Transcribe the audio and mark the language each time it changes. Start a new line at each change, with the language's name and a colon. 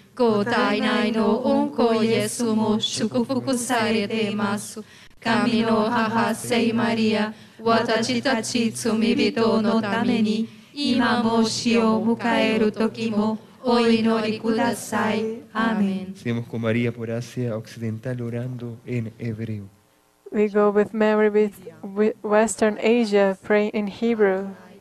Japanese: ご体内の御子イエスも祝福されています。神の母聖マリア、私たち罪人のために、今も死を迎える時も、お祈りください。アーメン。
Spanish: Seguimos con María por Asia Occidental orando en hebreo.
English: We go with Mary with Western Asia praying in Hebrew.